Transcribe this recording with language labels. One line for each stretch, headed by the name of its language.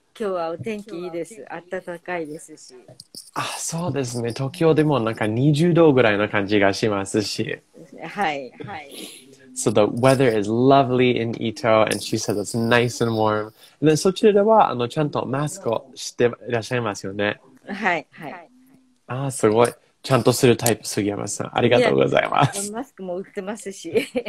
Japanese: 今日はお天気いいです。暖かいですし。あ、そうですね。東京でもなんか20度ぐらいの感じがしますし。はい、はい。
English: So the weather is lovely in Ito, and she says it's nice and warm.
Japanese: で、そちらではちゃんとマスクをしていらっしゃいますよね。はい、はい。あ、すごい。ちゃんとするタイプ、杉山さん。ありがとうございます。マスクも売ってますし。